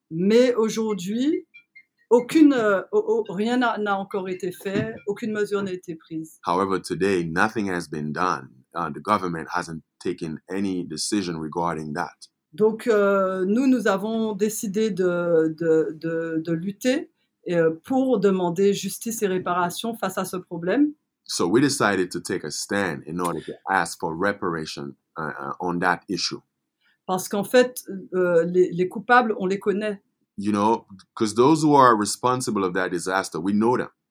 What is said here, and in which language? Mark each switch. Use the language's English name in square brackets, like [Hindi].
[French] Mais aujourd'hui, rien n'a encore été fait, aucune mesure n'a été prise. [English] However, today, nothing has been done. The government hasn't taken any decision regarding that. [French] Donc nous avons décidé de lutter pour demander justice et réparation face à ce problème. [English] So we decided to take a stand in order to ask for reparation on that issue. [French] Parce qu'en fait les coupables on les connaît. [English] You know, because those who are responsible of that disaster, we know them.